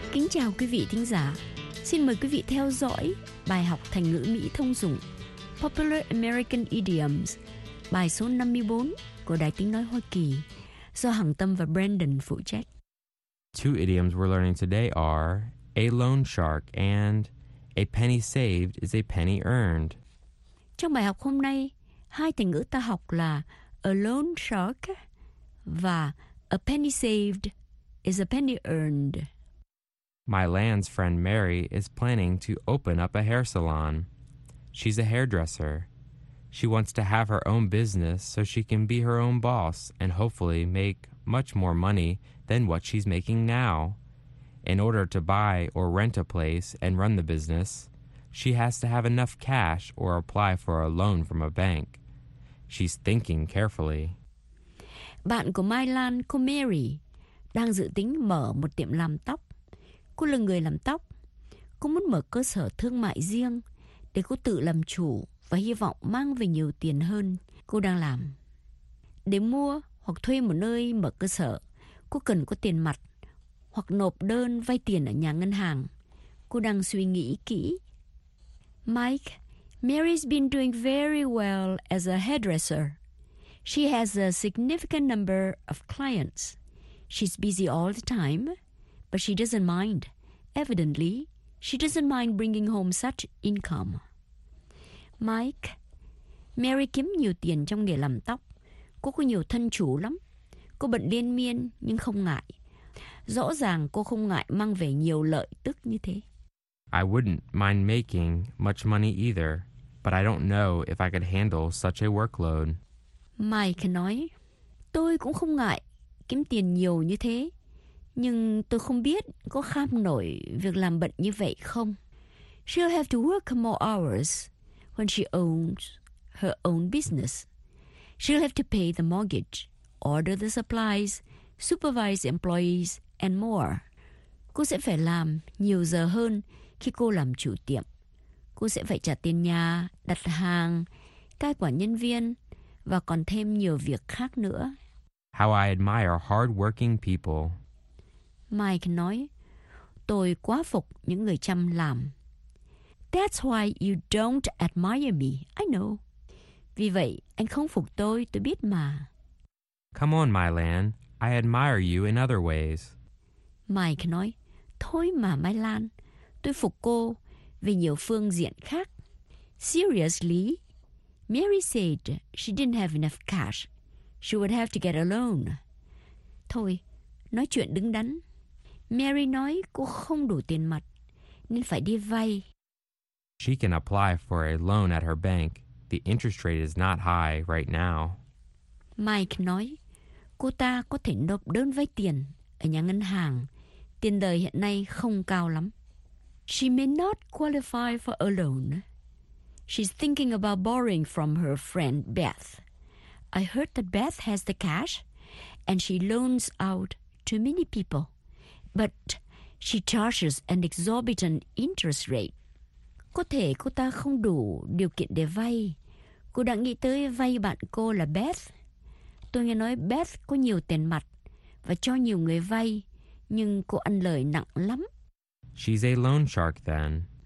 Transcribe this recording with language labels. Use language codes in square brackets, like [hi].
[vi] chào quý vị thính giả. Xin mời quý vị theo dõi bài học thành ngữ Mỹ thông dụng Popular American Idioms, bài số 54 của Đài Tiếng Nói Hoa Kỳ, do Hằng Tâm và Brandon phụ trách. [en] Two idioms we're learning today are a loan shark and a penny saved is a penny earned. [vi] Trong bài học hôm nay, hai thành ngữ ta học là [en] a loan shark [vi] và [en] a penny saved is a penny earned. My land's friend Mary is planning to open up a hair salon. She's a hairdresser. She wants to have her own business so she can be her own boss and hopefully make much more money than what she's making now. In order to buy or rent a place and run the business, she has to have enough cash or apply for a loan from a bank. She's thinking carefully. [vi] Bạn của Mai Lan, cô Mary, đang dự tính mở một tiệm làm tóc. Cô là người làm tóc. Cô muốn mở cơ sở thương mại riêng để cô tự làm chủ và hy vọng mang về nhiều tiền hơn cô đang làm. Để mua hoặc thuê một nơi mở cơ sở, cô cần có tiền mặt hoặc nộp đơn vay tiền ở nhà ngân hàng. Cô đang suy nghĩ kỹ. [en] Mike, Mary's been doing very well as a hairdresser. She has a significant number of clients. She's busy all the time, but she doesn't mind. Evidently, she doesn't mind bringing home such income. [vi] Mike, Mary kiếm nhiều tiền trong nghề làm tóc. Cô có nhiều thân chủ lắm. Cô bận liên miên nhưng không ngại. Rõ ràng cô không ngại mang về nhiều lợi tức như thế. [en] I wouldn't mind making much money either, but I don't know if I could handle such a workload. [vi] Mike nói, tôi cũng không ngại kiếm tiền nhiều như thế, nhưng tôi không biết có kham nổi việc làm bận như vậy không. [en] She'll have to work more hours when she owns her own business. She'll have to pay the mortgage, order the supplies, supervise employees, and more. [vi] Cô sẽ phải làm nhiều giờ hơn khi cô làm chủ tiệm. Cô sẽ phải trả tiền nhà, đặt hàng, cai quản nhân viên và còn thêm nhiều việc khác nữa. [en] How I admire hardworking people. [vi] Mike nói, tôi quá phục những người chăm làm. [en] That's why you don't admire me, I know. [vi] Vì vậy, anh không phục tôi biết mà. [en] Come on, my land. I admire you in other ways. [vi] Mike nói, thôi mà Mai Lan, tôi phục cô về nhiều phương diện khác. [en] Seriously, Mary said she didn't have enough cash. She would have to get a loan. [vi] Thôi, nói chuyện đứng đắn. Mary nói cô không đủ tiền mặt, nên phải đi vay. [en] She can apply for a loan at her bank. The interest rate is not high right now. [vi] Mike nói, cô ta có thể nộp đơn vay tiền ở nhà ngân hàng. Tiền lời hiện nay không cao lắm. [en] She may not qualify for a loan. She's thinking about borrowing from her friend Beth. I heard that Beth has the cash and she loans out to many people. But she charges an exorbitant interest rate. [vi] Có thể cô ta không đủ điều kiện để vay. Cô đã nghĩ tới vay bạn cô là Beth. Tôi nghe nói Beth có nhiều tiền mặt và cho nhiều người vay, nhưng cô ăn lời nặng lắm. [en] She's a loan shark then.